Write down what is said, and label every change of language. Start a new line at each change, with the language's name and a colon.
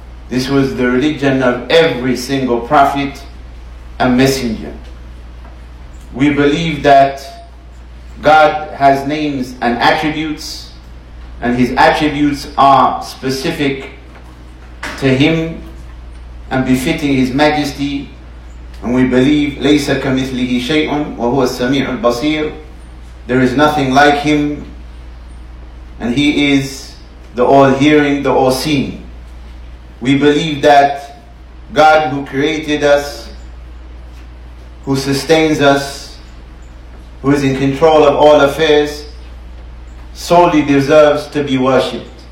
English: This was the religion of every single prophet and messenger. We believe that God has names and attributes, and His attributes are specific to Him and befitting His Majesty. And we believe
Arabic: لَيْسَ كَمِثْلِهِ شَيْءٌ وَهُوَ السَّمِيعُ الْبَصِيرُ.
English: There is nothing like Him, and He is the all-hearing, the all-seeing. We believe that God, who created us, who sustains us, who is in control of all affairs, solely deserves to be worshipped.